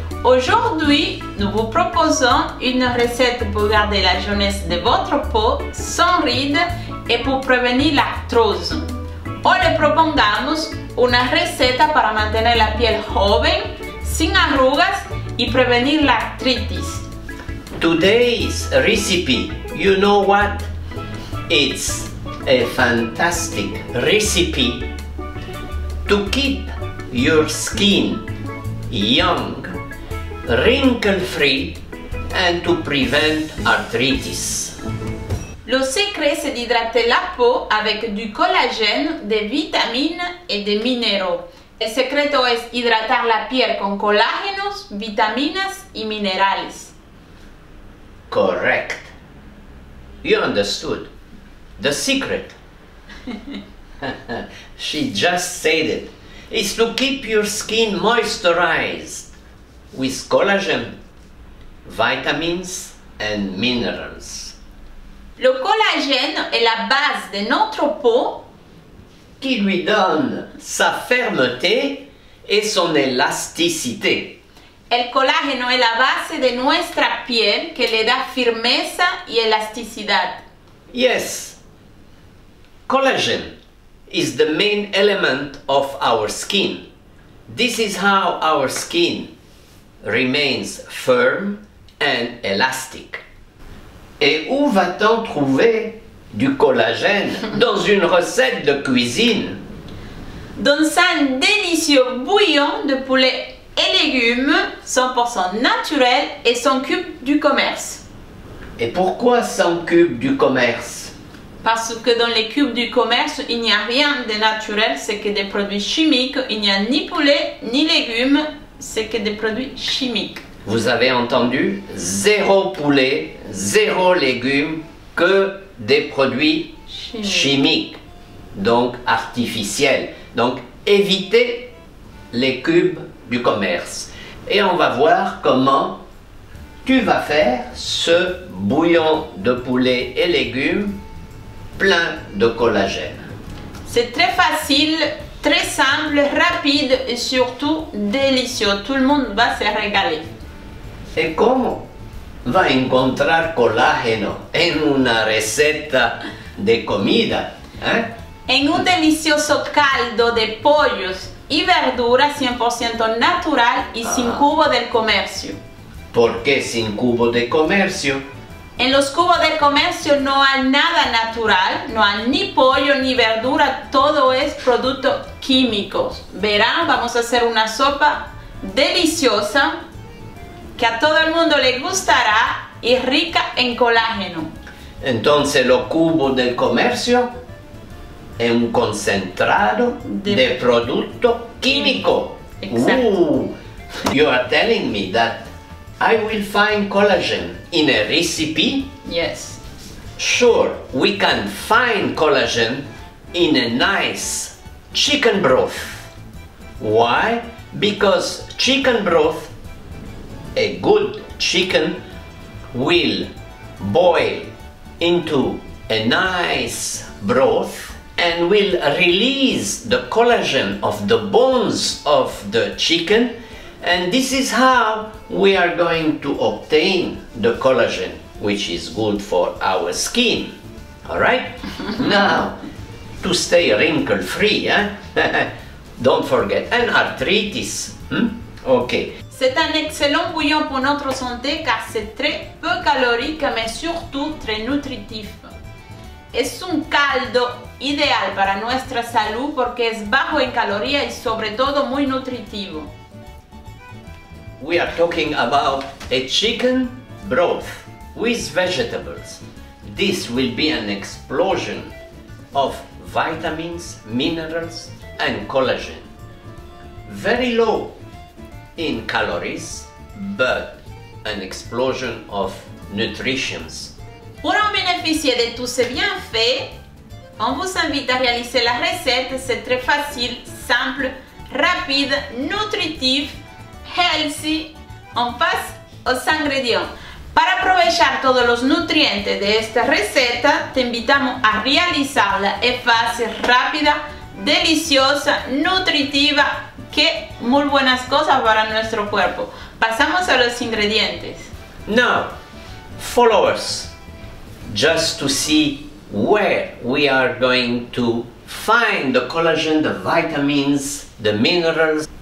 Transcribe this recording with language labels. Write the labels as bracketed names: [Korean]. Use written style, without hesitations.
[French] Aujourd'hui, nous vous proposons une recette pour garder la jeunesse de votre peau sans rides et pour prévenir l'arthrose. [Spanish] Hoy le propongamos una receta para mantener la piel joven, sin arrugas y prevenir la artritis. [English] Today's recipe, you know what? It's a fantastic recipe to keep your skin young, wrinkle-free, and to prevent arthritis. [French] Le secret, c'est d'hydrater la peau avec du collagène, des vitamines et des minéraux. [Spanish] Le secreto es hidratar la piel con colágenos, vitaminas y minerales. [English] Correct. You understood. The secret. She just said it. It's to keep your skin moisturized with collagen, vitamins and minerals. [French] Le collagène est la base de notre peau qui lui donne sa fermeté et son élasticité. [Spanish] El colágeno es la base de nuestra piel que le da firmeza y elasticidad. [English] Yes. Collagen is the main element of our skin. This is how our skin remains firm and elastic. [French] Et où va-t-on trouver du collagène dans une recette de cuisine? Dans un délicieux bouillon de poulet et légumes, 100% naturel et sans cube du commerce. Et pourquoi sans cube du commerce? Parce que dans les cubes du commerce, il n'y a rien de naturel, c'est que des produits chimiques. Il n'y a ni poulet ni légumes, c'est que des produits chimiques. Vous avez entendu, zéro poulet, zéro légumes, que des produits chimiques, donc artificiels. Donc évitez les cubes du commerce. Et on va voir comment tu vas faire ce bouillon de poulet et légumes plein de collagène. C'est très facile, très simple, rapide et surtout délicieux. Tout le monde va se régaler. [Spanish] ¿Y cómo va a encontrar colágeno en una receta de comida? ¿Eh? En un delicioso caldo de pollos y verduras 100% natural y sin cubo del comercio. ¿Por qué sin cubo de comercio? En los cubos del comercio no hay nada natural, no hay ni pollo ni verdura, todo es producto químico. Verán, vamos a hacer una sopa deliciosa que a todo el mundo le gustará y rica en colágeno. Entonces, los cubos del comercio es un concentrado de producto químico. Exacto. [English] You are telling me that I will find collagen in a recipe? Yes. Sure, we can find collagen in a nice chicken broth. Why? Because chicken broth, a good chicken will boil into a nice broth and will release the collagen of the bones of the chicken, and this is how we are going to obtain the collagen, which is good for our skin. All right? Now, to stay wrinkle-free, eh? Don't forget, and arthritis. Okay. [French] C'est un excellent bouillon pour notre santé car c'est très peu calorique mais surtout très nutritif. [Spanish] Es un caldo ideal para nuestra salud porque es bajo en calorías y sobre todo muy nutritivo. [English] We are talking about a chicken broth with vegetables. This will be an explosion of vitamins, minerals and collagen. Very low in calories, but an explosion of nutrients. [French] Pour en bénéficier de tous ces bienfaits, on vous invite à réaliser la recette. C'est très facile, simple, rapide, nutritif, healthy. On passe aux ingrédients. [Spanish] Para aprovechar todos los nutrientes de esta receta, te invitamos a realizarla. Es fácil, rápida, deliciosa, nutritiva, que muy buenas cosas para nuestro cuerpo. Pasamos a los ingredientes. [English] Now, follow us, just to see where we are going to find the collagen, the vitamins, the minerals.